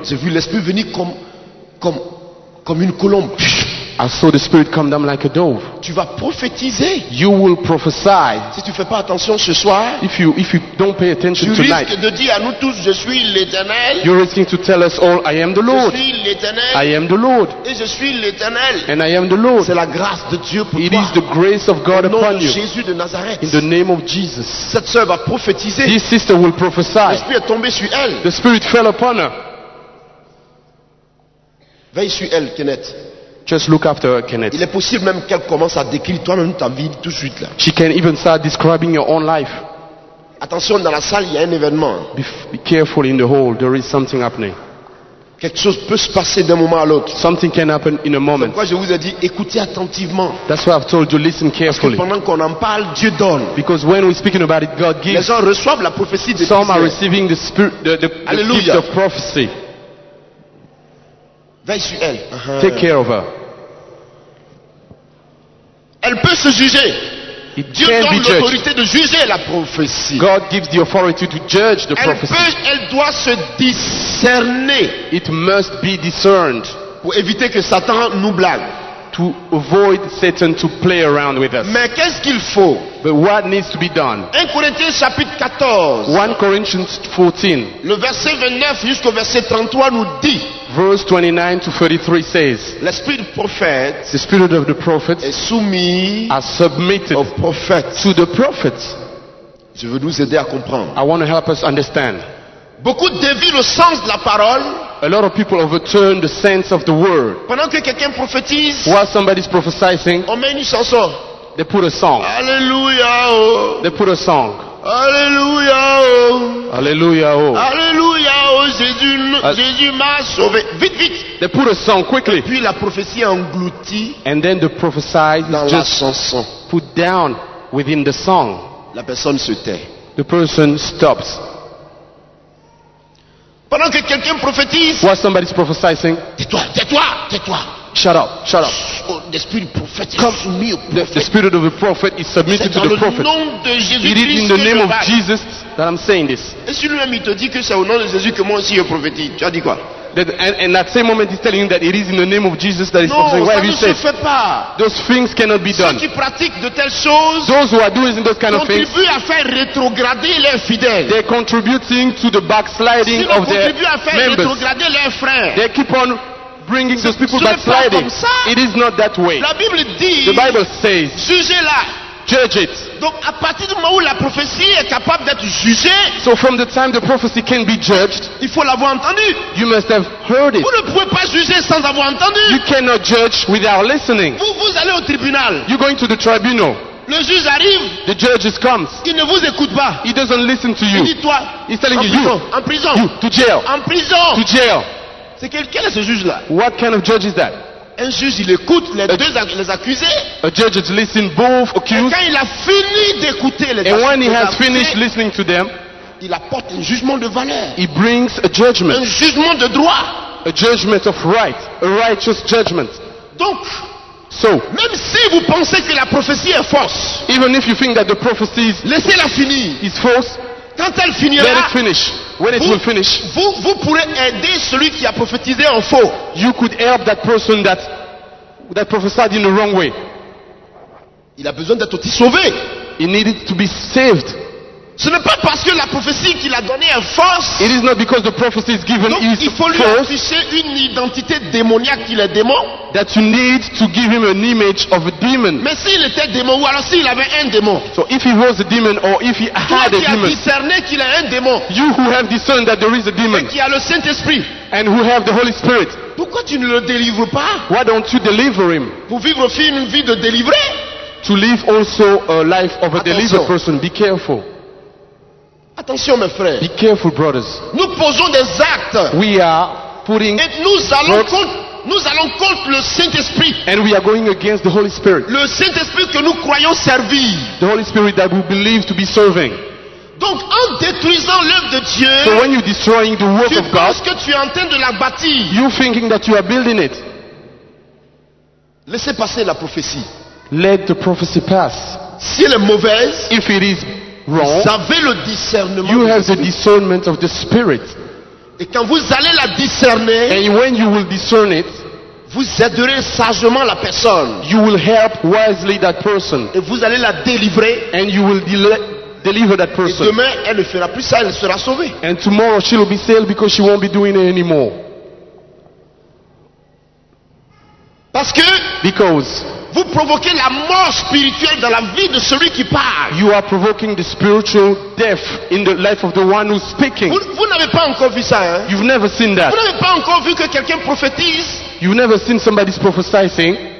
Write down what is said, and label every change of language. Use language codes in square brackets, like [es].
[fr] J'ai vu l'esprit venir comme une colombe. [en] I saw the Spirit come down like a dove. [fr] Tu vas prophétiser. [en] You will prophesy. [fr] Si tu fais pas attention ce soir, [en] if you don't pay attention [fr] tu [en] tonight, [fr] risques de dire à nous tous, je suis l'Éternel. [en] You're risking to tell us all, I am the Lord. [fr] Je suis l'Éternel. [en] I am the Lord. [fr] Et je suis l'Éternel. [en] And I am the Lord. [fr] C'est la grâce de Dieu pour [en] it [fr] toi. [en] It is the grace of God [fr] au [en] upon you. [fr] Jésus de Nazareth. [en] In the name of Jesus. [fr] Cette sœur va prophétiser. [en] This sister will prophesy. [fr] L'esprit est tombé sur elle. [en] The Spirit fell upon her. [fr] Veille sur elle, Kenneth. [en] Just look after her, Kenneth. [fr] Il est possible même qu'elle commence à décrire toi-même ta vie tout de suite là. [en] She can even start describing your own life. [fr] Attention, dans la salle, il y a un événement. [en] Be careful in the hall, there is something happening. [fr] Quelque chose peut se passer d'un moment à l'autre. [en] Something can happen in a moment. [fr] C'est pourquoi je vous ai dit, écoutez attentivement. [en] That's why I've told you, listen carefully. [fr] Parce que pendant qu'on en parle, Dieu donne. [en] Because when we're speaking about it, God gives. [fr] Les gens reçoivent la prophétie de Dieu. [en] Some are receiving the spirit, the gift of prophecy. [fr] Veille sur elle. [en] Take care of her. [fr] Elle peut se juger. [en] It [fr] Dieu [en] can [fr] donne [en] be [fr] l'autorité [en] judged. [fr] De juger la prophétie. [en] God gives the authority to judge the [fr] elle [en] prophecy. [fr] Peut, elle doit se discerner. [en] It must be discerned. [fr] Pour éviter que Satan nous blague. [en] To avoid Satan to play around with us. [fr] Mais qu'est-ce qu'il faut? [en] But what needs to be done? [fr] 1 Corinthiens chapitre 14. [en] 1 Corinthians 14. [fr] Le verset 29 jusqu'au verset 33 nous dit. [en] Verse 29 to 33 says. [fr] L'esprit du prophète. [en] The spirit of the prophet. [fr] Est soumis. [en] Are submitted. [fr] Au prophète. [en] To the prophets. [fr] Je veux nous aider à comprendre. [en] I want to help us understand. [fr] Beaucoup dévient le sens de la parole. [en] A lot of people overturn the sense of the word. [fr] Pendant que quelqu'un prophétise, [en] while somebody's prophesying, [fr] on met une chanson. [en] They put a song. [fr] Alléluia. Oh. [en] They put a song. [fr] Alléluia. Oh. Alléluia. Oh. Alléluia. Oh. Jésus m'a sauvé. Vite, vite. [en] They put a song quickly. [fr] Et puis la prophétie engloutie. [en] And then the prophesy is just [fr] chanson. [en] Put down within the song. [fr] La personne se tait. [en] The person stops. [fr] Pendant que quelqu'un prophétise. [en] While somebody's prophesying. [fr] Tais-toi. [en] Shut up. [fr] L'esprit du prophète est soumis au prophète. [en] The spirit of the prophet is submitted to the prophet. [fr] C'est dans le nom de Jésus-Christ. [en] It is in the name of Jesus that I'm saying this. [fr] Et si lui-même il te dit que c'est au nom de Jésus que moi aussi je prophétise, tu as dit quoi? [en] And at the same moment, he's telling you that it is in the name of Jesus that he's prophesying. What have you said? Those things cannot be done. [fr] Ceux qui pratiquent de telles choses, [en] those who are doing those kind of things, [fr] contribuent à faire rétrograder leurs fidèles. [en] They're contributing to the backsliding of their members. [fr] Si l'on contribue à faire rétrograder leurs frères, [en] they keep on bringing those people backsliding. It is not that way. [fr] La Bible dit, [en] the Bible says, [fr] jugez-la. [en] judge it. [fr] Donc à partir du moment où la prophétie est capable d'être jugée, [en] so from the time the prophecy can be judged, [fr] il faut l'avoir entendu. [en] You must have heard it. [fr] Vous ne pouvez pas juger sans avoir entendu. [en] You cannot judge without listening. [fr] Vous allez au tribunal. [en] You're going to the tribunal. [fr] Le juge arrive. [en] The judge comes. [fr] Il ne vous écoute pas. [en] He doesn't listen to you. [fr] Il dit toi. [en] He's telling [fr] en [en] you, [fr] prison, [en] you. [fr] En prison. [en] You, to jail. [fr] En prison. [en] To jail. [fr] C'est quel est ce juge là? [en] What kind of judge is that? [fr] Un juge il écoute les accusés. [en] A judge is listening both accused. [fr] Et quand il a fini d'écouter les [en] accusés. And when he has finished listening to them, [fr] il apporte un jugement de valeur. [en] He brings a judgment. [fr] Un jugement de droit. [en] A judgment of right, a righteous judgment. [fr] Donc, [en] so, [fr] même si vous pensez que la prophétie est fausse, [en] even if you think that the prophecy is, [fr] laissez-la finir, [en] is false. [fr] Quand elle finira, [en] let it finish. When it will finish, [fr] vous pourrez aider celui qui a prophétisé en faux. [en] You could help that person that prophesied in the wrong way. [fr] Il a besoin d'être aussi sauvé. [en] He needed to be saved. [fr] Ce n'est pas parce que la prophétie qu'il a donnée est fausse. [en] It is not because the prophecy is given [fr] donc, [en] is false. [fr] Il faut lui afficher une identité démoniaque qu'il est démon. [en] That you need to give him an image of a demon. [fr] Mais s'il était démon ou alors s'il avait un démon. [en] So if he was a demon or if he had a demon. [fr] Toi qui as discerné qu'il a un démon. [en] You who have discerned that there is a demon. [fr] Et qui a le Saint-Esprit. [en] And who have the Holy Spirit. [fr] Pourquoi tu ne le délivres pas? [en] Why don't you deliver him? [fr] Pour vivre aussi une vie de délivré. [en] To live also a life of a delivered person. Be careful. [fr] Attention mes frères. [en] Be careful, brothers. [fr] Nous posons des actes. [en] We are putting [fr] et nous allons contre le Saint-Esprit. [en] And we are going against the Holy Spirit. [fr] Le Saint-Esprit que nous croyons servir. [en] The Holy Spirit that we believe to be serving. [fr] Donc en détruisant l'œuvre de Dieu, [en] so when you're destroying the work of God, [fr] tu penses que tu es en train de la bâtir. [en] You're thinking that you are building it. [fr] Laissez passer la prophétie. [en] Let the prophecy pass. [fr] Si elle est mauvaise, [en] if it is wrong, [fr] vous avez le discernement. [en] You have the discernment of the Spirit. [fr] Et quand vous allez la discerner, [en] and when you will discern it, [fr] vous aiderez sagement la personne. [en] You will help wisely that person. [fr] Et vous allez la délivrer. [en] And you will deliver that person. [fr] Et demain, elle ne fera plus ça, elle sera sauvée. [en] And tomorrow she will be saved because she won't be doing it anymore. [fr] Parce que [en] because [fr] vous provoquez la mort spirituelle dans la vie de celui qui parle. [en] You are provoking the spiritual death in the life of the one who's speaking. [fr] Vous n'avez pas encore vu ça, hein? [en] You've never seen that. [fr] Vous n'avez pas encore vu que quelqu'un prophétise. [en] You've never seen somebody prophesying.